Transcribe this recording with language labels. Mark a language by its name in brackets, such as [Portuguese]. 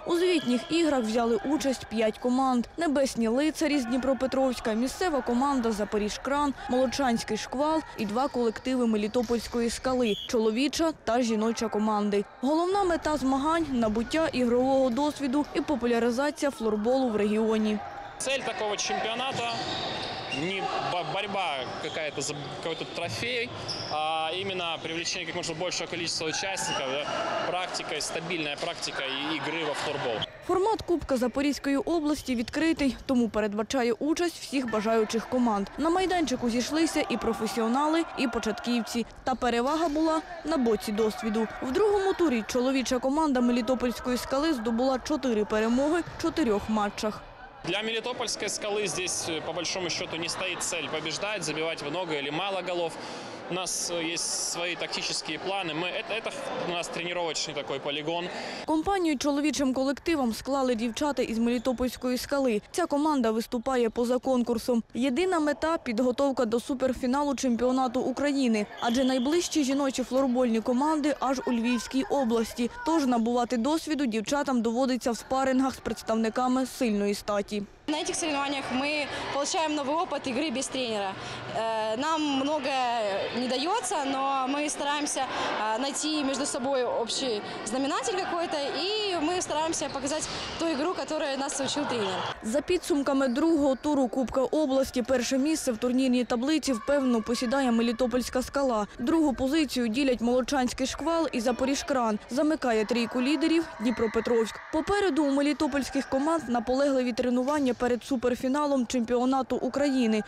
[Ukrainian] У звітніх іграх взяли участь 5 команд – «Небесні лицарі» з Дніпропетровська, місцева команда «Запоріжкран», «Молочанський шквал» і 2 колективи «Мелітопольської скали» – чоловіча та жіноча команди. Головна мета змагань – набуття ігрового досвіду і популяризація флорболу в регіоні. [Russian] Цель такого чемпионата не борьба какая-то за какой-то трофей, а именно привлечение как можно большего количества участников, да? Практика, стабильная практика игры во флорбол. [Ukrainian] Формат Кубка Запорізької області відкритий, тому передбачає участь всіх бажаючих команд. На майданчику зійшлися і професіонали, і початківці. Та перевага була на боці досвіду. В другому турі чоловіча команда Мелітопольської «Скали» здобула 4 перемоги в 4 матчах. [Russian] Для Мелітопольської «Скали» здесь, по большому счету, [Ukrainian] не стоїть [Russian] цель побіждати, забивати много или мало голов. [Ukrainian] У нас є свої тактичні плани. Це у нас тренувальний такий полігон. Компанію чоловічим колективом склали дівчата із Мелітопольської «Скали». Ця команда виступає поза конкурсом. Єдина мета – підготовка до суперфіналу чемпіонату України. Адже найближчі жіночі флорбольні команди аж у Львівській області. Тож набувати досвіду дівчатам доводиться в спарингах з представниками сильної статі. [Russian] На этих соревнованиях мы получаем новый опыт игры без тренера. Нам многое не дается, но мы стараемся найти между собой общий знаменатель какой-то, и мы стараемся показать ту игру, которую нас учил тренер. [Ukrainian] За підсумками другого туру Кубка області, перше місце в турнірній таблиці впевнено посідає Мелітопольська «Скала». Другу позицію ділять Молочанський «Шквал» і Запоріжкран. Замикає трійку лідерів Дніпропетровськ. Попереду у мелітопольських команд наполегливі тренування перед суперфіналом чемпіонату України.